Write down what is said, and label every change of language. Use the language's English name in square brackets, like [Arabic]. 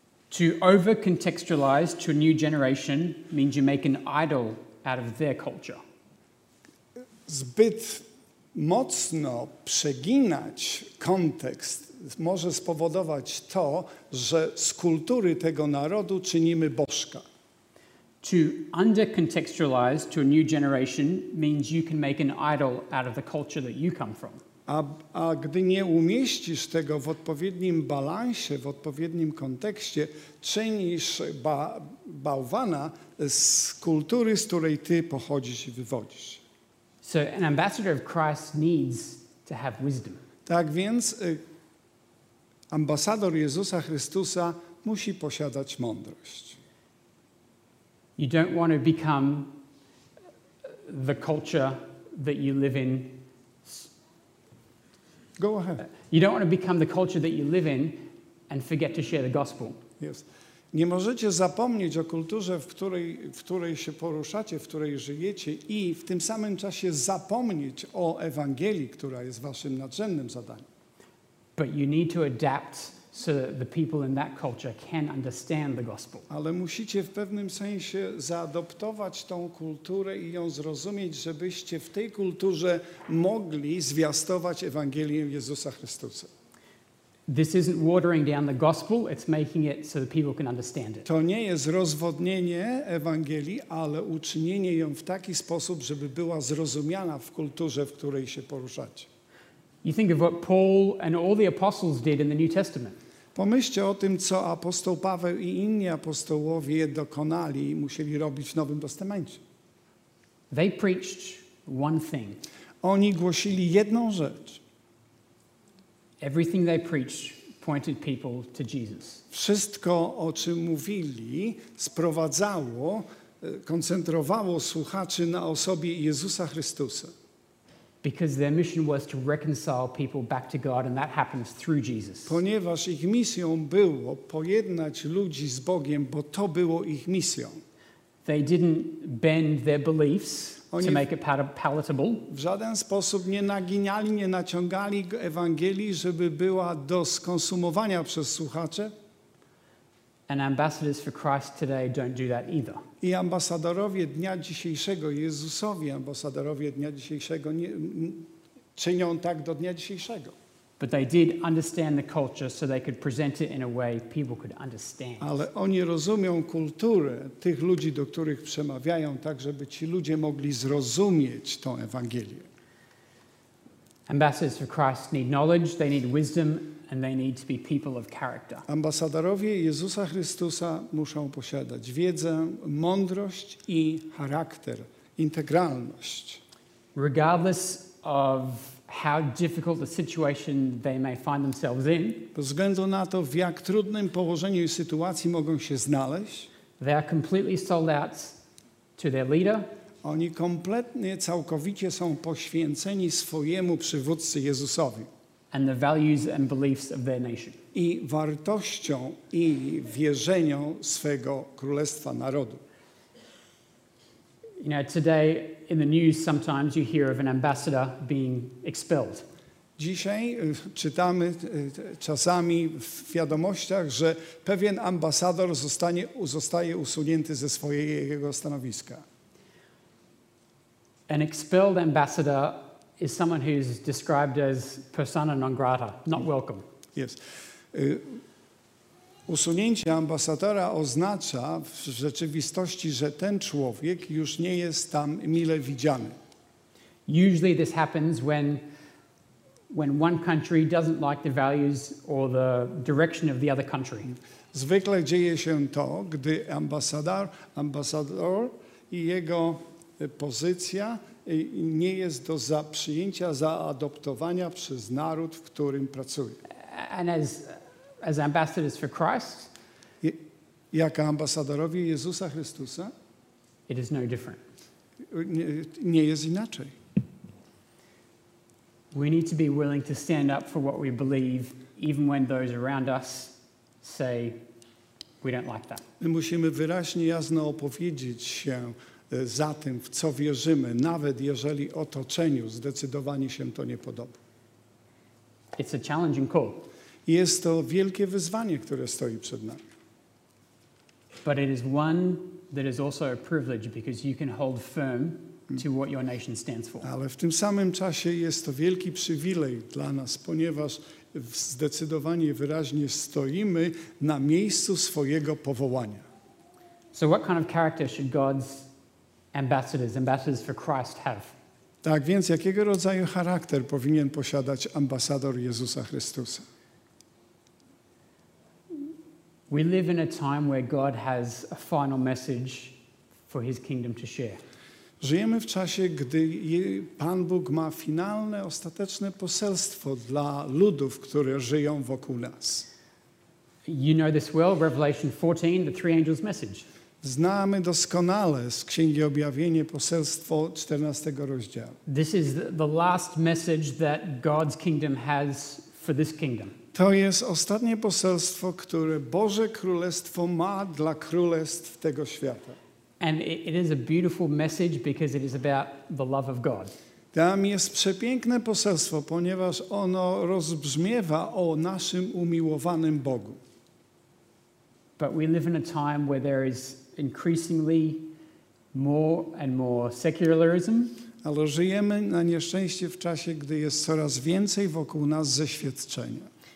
[English] To over-contextualize to a new generation means you make an idol out of their culture. [Polish] Zbyt mocno przeginać kontekst może spowodować to, że z kultury tego narodu czynimy bożka. [English] To under-contextualize to a new generation means you can make an idol out of the culture that you come from. [Polish] A gdy nie umieścisz tego w odpowiednim balansie, w odpowiednim kontekście, czynisz bałwana z kultury, z której ty pochodzisz i wywodzisz. [English] So an ambassador of Christ needs to have wisdom. [Polish] Tak więc ambasador Jezusa Chrystusa musi posiadać mądrość. [English] You don't want to become the culture that you live in. Go ahead. You don't want to become the culture that you live in and forget to share the gospel. Yes. [Polish] Nie możecie zapomnieć o kulturze, w której się poruszacie, w której żyjecie i w tym samym czasie zapomnieć o Ewangelii, która jest waszym nadrzędnym zadaniem. [English] But you need to adapt so that the people in that culture can understand the gospel. [Polish] Ale musicie w pewnym sensie zaadoptować tą kulturę i ją zrozumieć, żebyście w tej kulturze mogli zwiastować Ewangelię Jezusa Chrystusa. [English] This isn't watering down the gospel, it's making it so that people can understand it. [Polish] To nie jest rozwodnienie Ewangelii, ale uczynienie ją w taki sposób, żeby była zrozumiana w kulturze, w której się poruszacie. [English] You think of what Paul and all the apostles did in the New Testament. [Polish] Pomyślcie o tym, co apostoł Paweł i inni apostołowie dokonali i musieli robić w Nowym Testamencie. [English] They preached one thing. [Polish] Oni głosili jedną rzecz. [English] Everything they preached pointed people to Jesus. [Polish] Wszystko, o czym mówili, sprowadzało, koncentrowało słuchaczy na osobie Jezusa Chrystusa. [English] Because their mission was to reconcile people back to God, and that happens through Jesus. [Polish] Ponieważ ich misją było pojednać ludzi z Bogiem, bo to było ich misją. [English] They didn't bend their beliefs to make it palatable. [Polish] W żaden sposób nie naginali, nie naciągali Ewangelii, żeby była do skonsumowania przez słuchacze. [English] And ambassadors for Christ today don't do that either. [Polish] I ambasadorowie dnia dzisiejszego, Jezusowi ambasadorowie dnia dzisiejszego nie czynią tak do dnia dzisiejszego. [English] But they did understand the culture so they could present it in a way people could understand. [Polish] Ale oni rozumią kulturę tych ludzi, do których przemawiają, tak żeby ci ludzie mogli zrozumieć tą Ewangelię. [English] Ambassadors for Christ need knowledge, they need wisdom, and they need to be people of character. [Polish] Ambasadorowie Jezusa Chrystusa muszą posiadać wiedzę, mądrość i charakter, integralność. [English] Regardless of how difficult the situation they may find themselves in, [Polish] bez względu na to, w jak trudnym położeniu i sytuacji mogą się znaleźć, [English] they are completely sold out to their leader. [Polish] Oni kompletnie, całkowicie są poświęceni swojemu przywódcy Jezusowi. [English] And the values and beliefs of their nation. [Polish] I wartością i wierzeniem swego królestwa narodu. [English] You know, today in the news sometimes you hear of an ambassador being expelled. [Polish] Dzisiaj czytamy czasami w wiadomościach, że pewien ambasador zostaje usunięty ze swojego stanowiska. [English] An expelled ambassador is someone who is described as persona non grata, not welcome. Yes. [Polish] Usunięcie ambasadora oznacza w rzeczywistości, że ten człowiek już nie jest tam mile widziany. [English] Usually this happens when one country doesn't like the values or the direction of the other country. [Polish] Zwykle dzieje się to, gdy ambasador i jego pozycja nie jest do przyjęcia, zaadoptowania przez naród, w którym pracuje. [English] And as ambassadors for Christ, [Polish] jako ambasadorowie Jezusa Chrystusa? [English] It is no different. [Polish] Nie jest inaczej. [English] We need to be willing to stand up for what we believe, even when those around us say we don't like that. [Polish] My musimy wyraźnie, jasno opowiedzieć się za tym, w co wierzymy, nawet jeżeli otoczeniu zdecydowanie się to nie podoba. [English] It's a challenging call. [Polish] Jest to wielkie wyzwanie, które stoi przed nami. [English] But it is one that is also a privilege because you can hold firm to what your nation stands for. [Polish] Ale w tym samym czasie jest to wielki przywilej dla nas, ponieważ zdecydowanie wyraźnie stoimy na miejscu swojego powołania. [English] So what kind of character should God's ambassadors for Christ have? [Polish] Tak więc, jakiego rodzaju charakter powinien posiadać ambasador Jezusa Chrystusa? [English] We live in a time where God has a final message for his kingdom to share. [Polish] Żyjemy w czasie, gdy Pan Bóg ma finalne, ostateczne poselstwo dla ludów, które żyją wokół nas. [English] You know this well, Revelation 14, the three angels' message. [Polish] Znamy doskonale z Księgi Objawienia poselstwo 14 rozdziału. [English] This is the last message that God's kingdom has for this kingdom. [Polish] To jest ostatnie poselstwo, które Boże Królestwo ma dla królestw tego świata. [English] And it is a beautiful message because it is about the love of God. [Polish] Tam jest przepiękne poselstwo, ponieważ ono rozbrzmiewa o naszym umiłowanym Bogu. [English] But we live in a time where there is increasingly more and more secularism. [Polish] Ale żyjemy na nieszczęście w czasie, gdy jest coraz więcej wokół nas zeświadczenia.